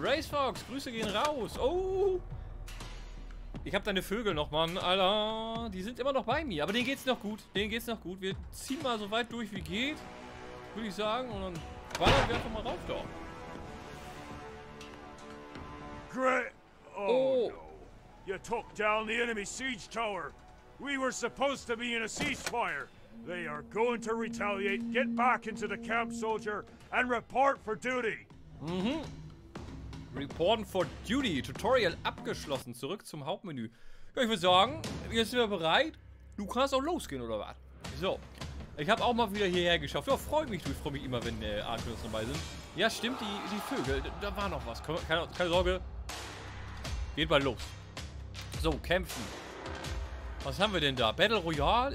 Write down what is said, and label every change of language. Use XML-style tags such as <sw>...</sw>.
<de>Race Fox, Grüße gehen raus. Oh! Ich hab deine Vögel noch, Mann. Alter, die sind immer noch bei mir. Aber denen geht's noch gut. Denen geht's noch gut. Wir ziehen mal so weit durch, wie geht. Würde ich sagen. Und dann ballern wir einfach mal rauf da.</de> <en>Great! Oh! Oh. No. You took down the enemy siege tower. We were supposed to be in a ceasefire. They are going to retaliate. Get back into the camp, soldier, and report for duty. Mhm. Reporting for duty.</en> <de>Tutorial abgeschlossen. Zurück zum Hauptmenü. Ja, ich würde sagen, jetzt sind wir bereit. Du kannst auch losgehen, oder was? So. Ich habe auch mal wieder hierher geschafft. Ja, freue mich. Ich freue mich immer, wenn Artemis dabei sind. Ja, stimmt. Die Vögel. Da war noch was. Keine Sorge. Geht mal los. So, kämpfen. Was haben wir denn da? Battle Royale?</de>